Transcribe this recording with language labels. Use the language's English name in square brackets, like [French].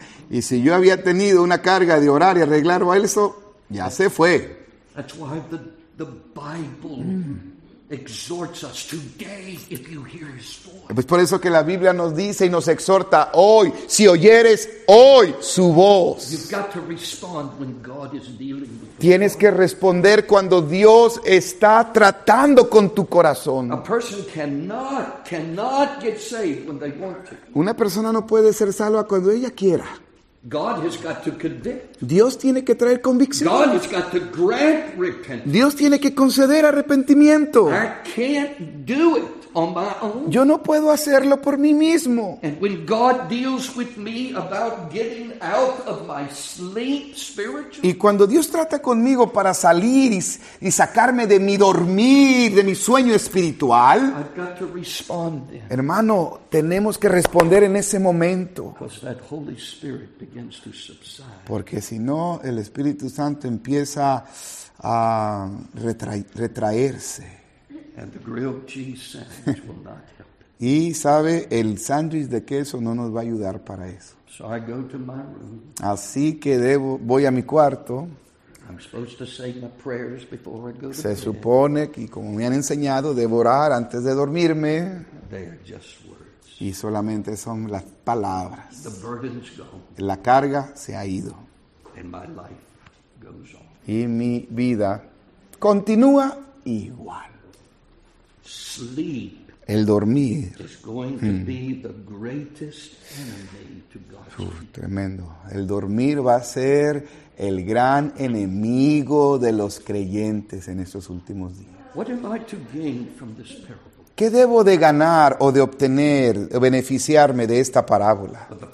[Spanish] Y si yo había tenido una carga de orar y arreglar eso, ya se fue. [English] That's why the Bible exhorts us today if you hear his voice. [Spanish] Pues por eso que la Biblia nos dice y nos exhorta hoy, si oyeres hoy su voz. [English] You've got to respond when God is dealing with. [Spanish] Tienes que responder cuando Dios está tratando con tu corazón. [English] A person cannot get saved when they want to. [Spanish] Una persona no puede ser salva cuando ella quiera. [English] God has got to convict. [Spanish] Dios tiene que traer convicción. [English] God has got to grant repentance. [Spanish] Dios tiene que conceder arrepentimiento. [English] I can't do it on my own. [Spanish] Yo no puedo hacerlo por mí mismo. [English] And when God deals with me about getting out of my sleep spiritually. [Spanish] Y cuando Dios trata conmigo para salir y sacarme de mi dormir, de mi sueño espiritual. [English] I've got to respond then. [Spanish] Hermano, tenemos que responder en ese momento. [English] Because that Holy Spirit begins to subside. [Spanish] Porque si no, el Espíritu Santo empieza a retraerse. [English] And the grilled cheese sandwich will not help. [Spanish] Y sabe, el sándwich de queso no nos va a ayudar para eso. [English] So I go to my room. [Spanish] Así que voy a mi cuarto. [English] I'm supposed to say my prayers before I go to bed. [Spanish] Se supone que, como me han enseñado, debo orar antes de dormirme. [English] They are just words. [Spanish] Y solamente son las palabras. [English] The burden's gone. [Spanish] La carga se ha ido. [English] And my life goes on. [Spanish] Y mi vida continúa igual. [English] Sleep. [Spanish] El dormir. [English] Is going to be the greatest enemy to God's. [Spanish] Uf, tremendo. El dormir va a ser el gran enemigo de los creyentes en estos últimos días. [English] What am I to gain from this parable? [Spanish] ¿Qué debo de ganar o de obtener o beneficiarme de esta parábola?